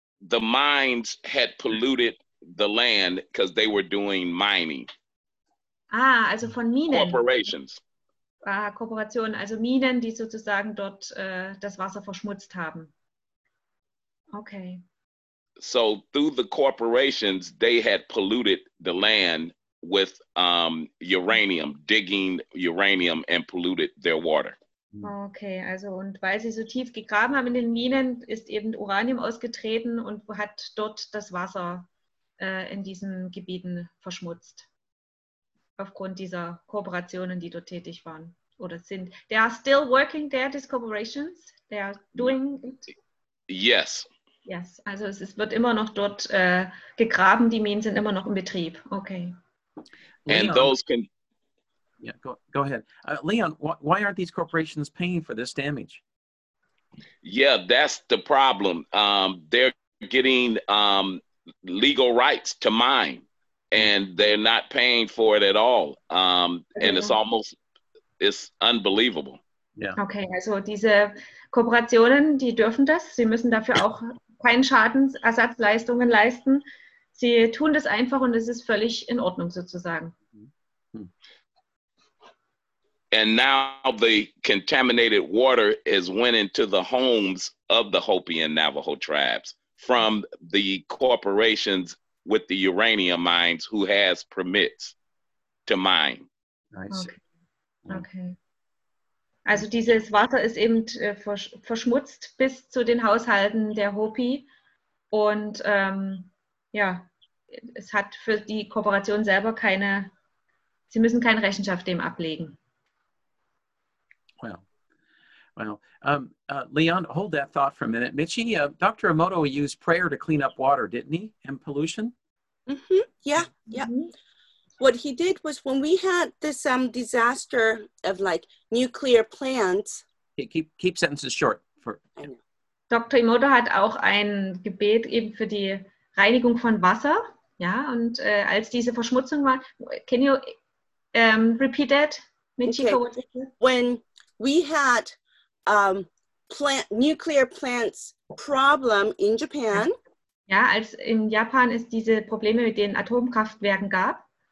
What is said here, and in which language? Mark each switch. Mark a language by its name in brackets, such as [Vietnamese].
[English] The mines had polluted the land because they were doing mining. [German] Ah, also von Minen. [English] Corporations. [German] Ah, Kooperationen, also Minen, die sozusagen dort das Wasser verschmutzt haben. [English] Okay. So through the corporations, they had polluted the land with uranium, digging uranium and polluted their water. [German] Okay, also und weil sie so tief gegraben haben in den Minen, ist eben Uranium ausgetreten und hat dort das Wasser in diesen Gebieten verschmutzt. Aufgrund dieser Kooperationen, die dort tätig waren oder sind. [English] They are still working there, these corporations? They are doing it? Yes. [German] Yes, also es wird immer noch dort gegraben, die Minen sind immer noch in Betrieb. [English] Okay. And Leon, those can... Yeah, go ahead. Leon, why aren't these corporations paying for this damage? Yeah, that's the problem. They're getting legal rights to mine. And they're not paying for it at all. And it's almost, it's unbelievable. Yeah. [German] Okay, also diese Kooperationen, die dürfen das. Sie müssen dafür auch keinen Schadensersatzleistungen leisten. Sie tun das einfach und es ist völlig in Ordnung sozusagen. [English] And now the contaminated water is went into the homes of the Hopi and Navajo tribes from the corporations with the uranium mines who has permits to mine. Okay. [German] Also dieses Wasser ist eben verschmutzt bis zu den Haushalten der Hopi und es hat für die Kooperation selber keine, sie müssen keine Rechenschaft dem ablegen. [English] Well, Leon, hold that thought for a minute. Michi, Dr. Emoto used prayer to clean up water, didn't he, and pollution? Mm-hmm. Yeah. Mm-hmm. What he did was when we had this disaster of like nuclear plants. Keep sentences short. [German] Dr. Emoto hat auch ein Gebet eben für die Reinigung von Wasser. Ja, und als diese Verschmutzung war, [English] can you repeat that, Michi? Okay. When we had nuclear plants problem in Japan. [German] Ja, als in Japan es diese Probleme mit den Atomkraftwerken gab.